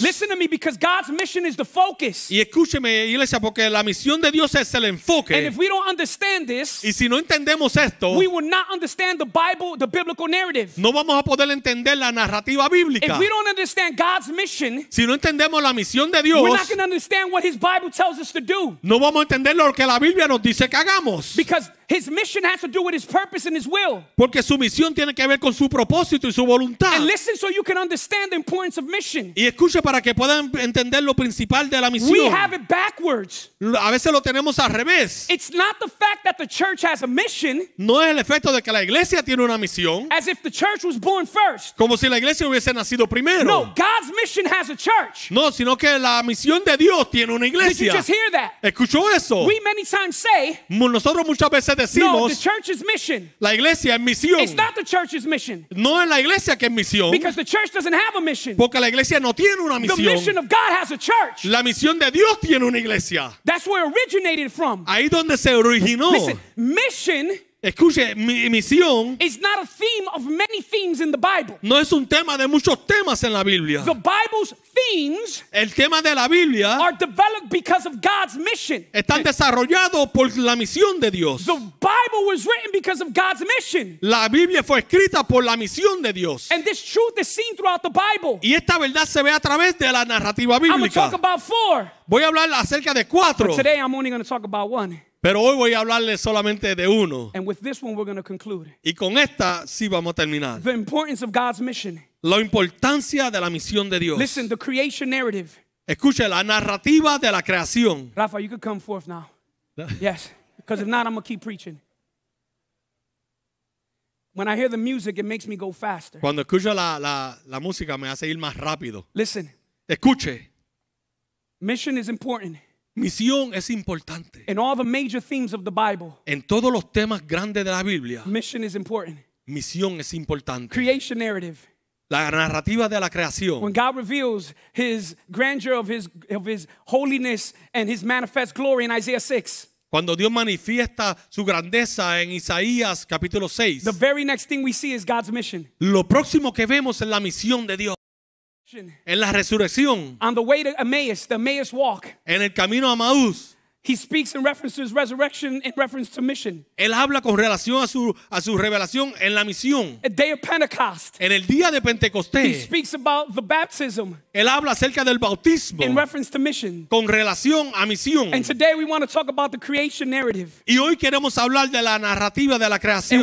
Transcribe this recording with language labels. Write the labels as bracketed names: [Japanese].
[English] Listen to me, because God's mission is the focus. [Spanish] Y escúcheme, iglesia, porque la misión de Dios es el enfoque. [English] And if we don't understand this, [Spanish] y si no entendemos esto, [English] we will not understand the Bible, the biblical narrative. [Spanish] No vamos a poder entender la narrativa bíblica. [English] If we don't understand God's mission, [Spanish] si no entendemos la misión de Dios, [English] we're not going to understand what His Bible tells us to do. [Spanish] No vamos a entender lo que la Biblia nos dice que hagamos. [English] Because His mission has to do with His purpose and His will. [Spanish] Porque su misión tiene que ver con su propósito y su voluntad. [English] And listen so you can understand the importance of mission. [Spanish] Y escuche para que puedan entender lo principal de la misión. [English] We have it backwards. [Spanish] A veces lo tenemos al revés. [English] It's not the fact that the church has a mission. [Spanish] No es el efecto de que la iglesia tiene una misión. [English] As if the church was born first. [Spanish] Como si la iglesia hubiese nacido primero. [English] No, God's mission has a church. [Spanish] No, sino que la misión de Dios tiene una iglesia. [English] Did you just hear that? [Spanish] ¿Escuchó eso? [English] We many times say. [Spanish] Nosotros muchas veces decimos. [English] No, the church's mission. [Spanish] La iglesia es misión. [English] It's not the church's mission. [Spanish] No es la iglesia que es misión. [English] Because the church doesn't have a mission. [Spanish] Porque la iglesia no tiene una misión. [English] The mission of God has a church. [Spanish] La misión de Dios tiene una iglesia. [English] That's where it originated from. [Spanish] Ahí donde se originó. [English] Listen, mission. [Spanish] Escuche, misión. [English] Is not a theme of many themes in the Bible. [Spanish] No es un tema de muchos temas en la Biblia. [English] The Bible's themes. [Spanish] El tema de la Biblia. [English] Are developed because of God's mission. [Spanish] Están desarrollados por la misión de Dios. [English] The Bible was written because of God's mission. [Spanish] La Biblia fue escrita por la misión de Dios. [English] And this truth is seen throughout the Bible. [Spanish] Y esta verdad se ve a través de la narrativa bíblica. [English] I'm going to talk about four. [Spanish] Voy a hablar acerca de cuatro. [English] But today I'm only going to talk about one. [Spanish] Pero hoy voy a hablarle solamente de uno. [English] And with this one we're going to conclude. [Spanish] Y con esta sí vamos a terminar. [English] The importance of God's mission. [Spanish] La importancia de la misión de Dios. [English] Listen, the creation narrative. [Spanish] Escuche, la narrativa de la creación. [English] Rafa, you could come forth now. Yes, because if not, I'm going to keep preaching. When I hear the music, it makes me go faster. [Spanish] Cuando escucho la música, me hace ir más rápido. [English] Listen. [Spanish] Escuche. [English] Mission is important. [Spanish] Misión es importante. [English] In all the major themes of the Bible. [Spanish] En todos los temas grandes de la Biblia. [English] Mission is important. [Spanish] Misión es importante. [English] Creation narrative. [Spanish] La narrativa de la creación. [English] When God reveals His grandeur of His holiness and His manifest glory in Isaiah 6. [Spanish] Cuando Dios manifiesta su grandeza en Isaías capítulo 6. [English] The very next thing we see is God's mission. [Spanish] Lo próximo que vemos es la misión de Dios. En la resurrección. [English] On the way to Emmaus, the Emmaus walk. [Spanish] En el camino a Emmaus. [English] He speaks in reference to his resurrection, in reference to mission. [Spanish] Él habla con relación a su revelación en la misión. [English] A day of Pentecost. [Spanish] En el día de Pentecostés. [English] He speaks about the baptism. [Spanish] Él habla acerca del bautismo. [English] In reference to mission. [Spanish] Con relación a misión. [English] And today we want to talk about the creation narrative. [Spanish] Y hoy queremos hablar de la narrativa de la creación.